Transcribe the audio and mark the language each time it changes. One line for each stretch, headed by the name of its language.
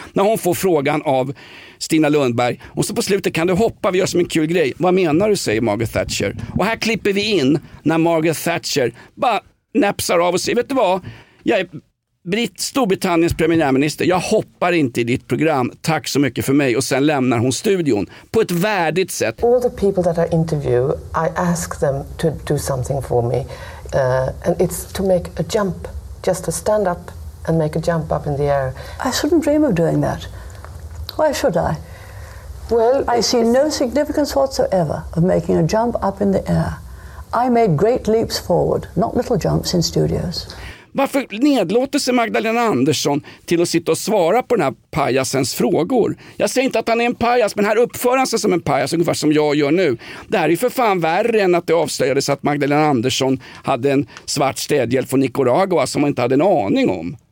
Swedish: När hon får frågan av Stina Lundberg och så på slutet, kan du hoppa, vi gör som en kul grej. Vad menar du, säger Margaret Thatcher. Och här klipper vi in när Margaret Thatcher bara näpsar av och säger, vet du vad, jag är Storbritanniens premiärminister, jag hoppar inte i ditt program, tack så mycket för mig, och sen lämnar hon studion på ett värdigt sätt.
English: All the people that I interview, I ask them to do something for me, and it's to make a jump, just to stand up and make a jump up in the air. I shouldn't dream of doing that. Why should I? Well, I see no significance whatsoever of making a jump up in the air. I made great leaps forward, not little jumps in studios.
Swedish: Varför nedlåter sig Magdalena Andersson till att sitta och svara på den här pajasens frågor? Jag säger inte att han är en pajas, men här uppför han sig som en pajas, ungefär som jag gör nu. Det här är för fan värre än att det avslöjades att Magdalena Andersson hade en svart städhjälp från Nicaragua som man inte hade en aning om.